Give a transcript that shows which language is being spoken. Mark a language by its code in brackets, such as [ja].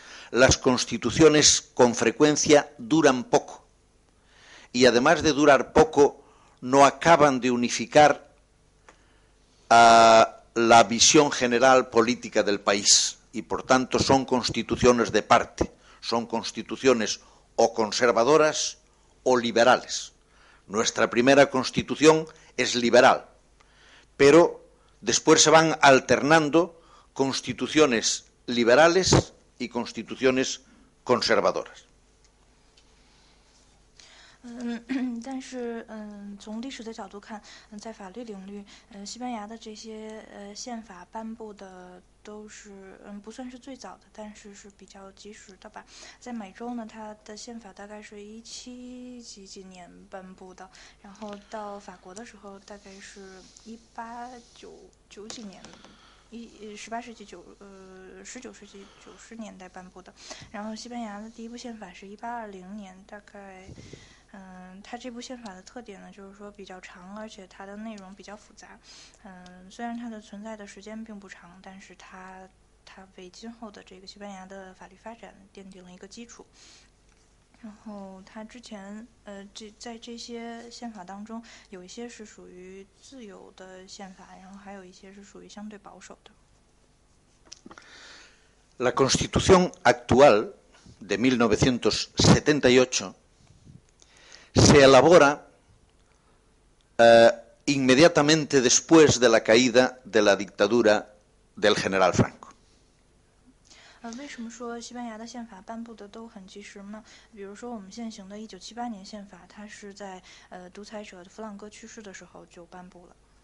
[es] Las constituciones con frecuencia duran poco, y además de durar poco, no acaban de unificar la visión general política del país, y por tanto son constituciones de parte, son constituciones o conservadoras o liberales. Nuestra primera constitución es liberal, pero después se van alternando constituciones liberales y constituciones conservadoras. [zh] 但是从历史的角度看，在法律领域，西班牙的这些宪法颁布的都是不算是最早的，但是是比较及时的吧。在美洲呢，它的宪法大概是1700几年颁布的，然后到法国的时候大概是1899几年。 19世纪90年代颁布的，然后西班牙的第一部宪法是1820年，大概，它这部宪法的特点呢，就是说比较长，而且它的内容比较复杂，虽然它的存在的时间并不长，但是它为今后的这个西班牙的法律发展奠定了一个基础。然后他之前在这些宪法当中有一些是属于自由的宪法，然后还有一些是属于相对保守的。 [es] La constitución actual de 1978 se elabora inmediatamente después de la caída de la dictadura del general Franco。 [zh] 为什么说西班牙的宪法颁布的都很及时呢？比如说我们现行的1978年宪法，它是在独裁者弗朗哥去世的时候就颁布了。